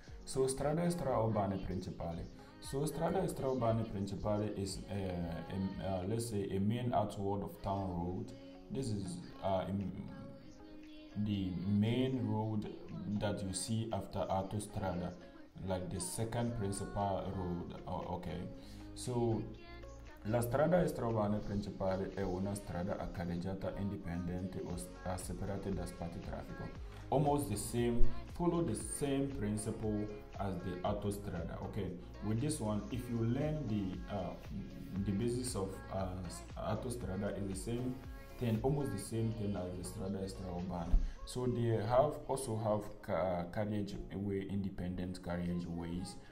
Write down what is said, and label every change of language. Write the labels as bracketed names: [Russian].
[English] So Strada Extraurbane Principale. So Strada Extraurbane Principale is, let's say, a main outward of town road. This is the main road that you see after Autostrada, like the second principal road. [Italian] Okay, so La strada extraurbane principale è una strada a carreggiata indipendente o separata da spazio traffico. [English] Almost the same, follow the same principle as the Autostrada. Okay, with this one, if you learn the basis of Autostrada, is the same thing, almost the same thing as the strada extraurbane. So they have also have carriage way, independent carriage ways.